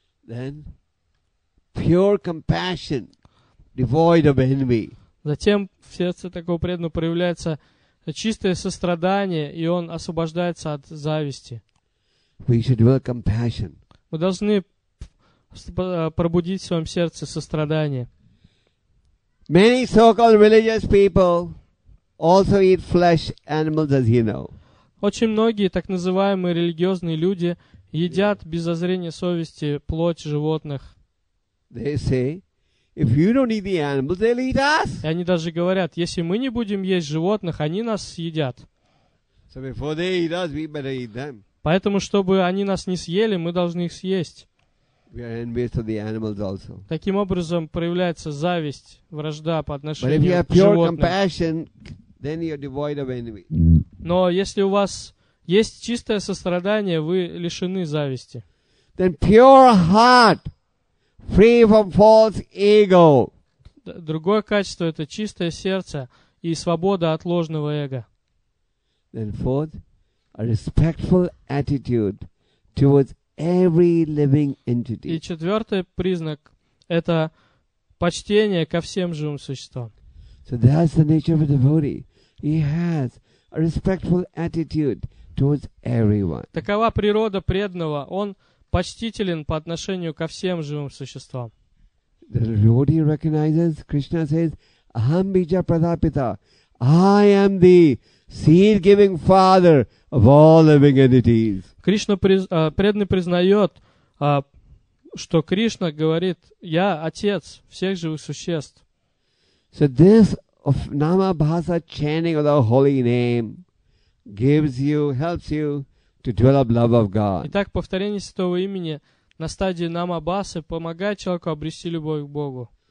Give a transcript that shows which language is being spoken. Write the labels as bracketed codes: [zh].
[en] Then, pure compassion, devoid of envy. [ru] Затем в сердце такого преданного проявляется чистое сострадание, и он освобождается от зависти. [en] We should develop compassion. [ru] Мы должны пробудить в своем сердце сострадание. [en] Many so-called religious people also eat flesh animals, as you know. [ru] Очень многие так называемые религиозные люди едят без зазрения совести плоть животных. [en] They say, if you don't eat the animals, they'll eat us. [ru] И они даже говорят, если мы не будем есть животных, они нас съедят. [en] So before they eat us, we better eat them. [ru] Поэтому, чтобы они нас не съели, мы должны их съесть. [en] We are envious of the animals also. [ru] Таким образом проявляется зависть, вражда по отношению к животным. [en] But if you have pure compassion, then you're devoid of envy. [ru] Но если у вас есть чистое сострадание, вы лишены зависти. [en] Then pure heart, free from false ego. [ru] Другое качество — это чистое сердце и свобода от ложного эго. [en] Then fourth, a respectful attitude towards every living entity. [ru] И четвертый признак — это почтение ко всем живым существам. [en] So that's the nature of a devotee. He has a respectful attitude towards everyone. [ru] Такова природа преданного. Он почтителен по отношению ко всем живым существам. [en] The devotee recognizes, Krishna says, Aham Bija Pradapita, I am the seed-giving father of all living entities. [ru] Кришна преданный признает, что Кришна говорит, я отец всех живых существ. [en] So this of Namabhasa chanting of the holy name gives you, helps you to develop love of God. [ru] Итак, повторение святого имени на стадии Намабасы помогает человеку обрести любовь к Богу.